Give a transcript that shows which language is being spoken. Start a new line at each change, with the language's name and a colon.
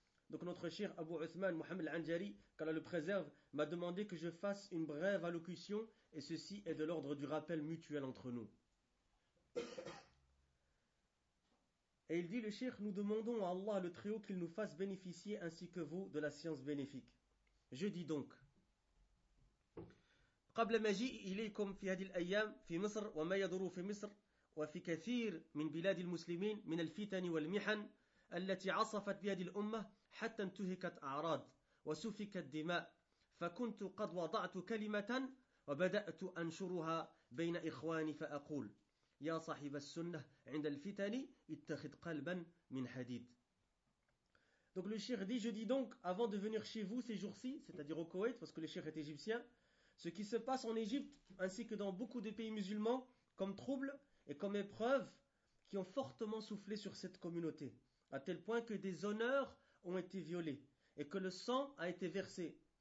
French: Donc notre cheikh Abu Uthman Muhammad al-Anjari, qu'Allah le préserve, m'a demandé que je fasse une brève allocution, et ceci est de l'ordre du rappel mutuel entre nous. Et il dit, le cheikh, nous demandons à Allah le Très-Haut qu'il nous fasse bénéficier ainsi que vous de la science bénéfique. Je dis donc,
Arabic: قبل مجيء إليكم في هذه الأيام في مصر وما يدور في مصر وفي كثير من بلاد المسلمين من الفتن والمحن التي عصفت بهذه الأمة حتى انتهكت أعراض وسفكت دماء، فكنت قد وضعت كلمة وبدأت أنشرها بين إخواني فأقول يا صاحب السنة عند الفتن اتخذ قلبا من حديد.
French: Donc le cheikh dit, je dis donc, avant de venir chez vous ces jours-ci, c'est-à-dire au Koweït, parce que le cheikh est égyptien, ce qui se passe en Égypte ainsi que dans beaucoup de pays musulmans comme trouble et comme épreuve qui ont fortement soufflé sur cette communauté, à tel point que des honneurs ont été violés et que le sang a été versé.